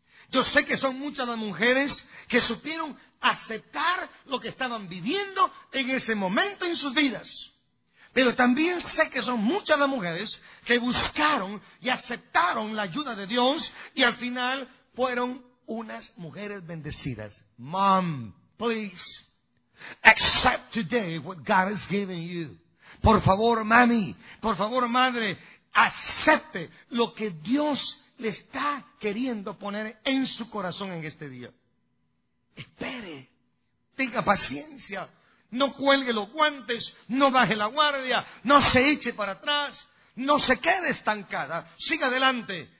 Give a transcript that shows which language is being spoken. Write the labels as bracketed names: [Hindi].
[Spanish] Yo sé que son muchas las mujeres que supieron aceptar lo que estaban viviendo en ese momento en sus vidas. Pero también sé que son muchas las mujeres que buscaron y aceptaron la ayuda de Dios y al final fueron unas mujeres bendecidas. [English] Mom, please, accept today what God has given you. [Spanish] Por favor, mami, por favor, madre, acepte lo que Dios le está queriendo poner en su corazón en este día. Espere, tenga paciencia, no cuelgue los guantes, no baje la guardia, no se eche para atrás, no se quede estancada, siga adelante.